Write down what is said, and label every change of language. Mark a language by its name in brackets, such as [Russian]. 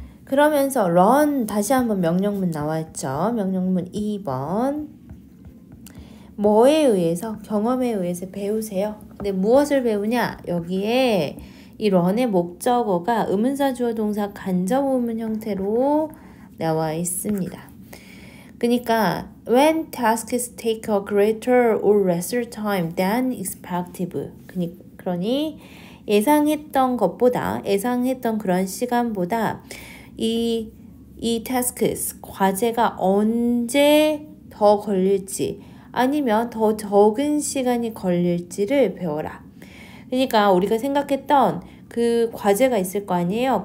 [Korean] 그러면서 run 다시 한번 명령문 나와있죠. 명령문 2번. 뭐에 의해서? 경험에 의해서 배우세요. 근데 무엇을 배우냐? 여기에 이 run의 목적어가 의문사 주어 동사 간접 의문 형태로 나와 있습니다. 그러니까 [English] when tasks take a greater or lesser time than expected. 그러니까 [Korean] 그러니 예상했던 것보다 예상했던 그런 시간보다 이 태스크스 과제가 언제 더 걸릴지 아니면 더 적은 시간이 걸릴지를 배워라. 그러니까 우리가 생각했던 그 과제가 있을 거 아니에요.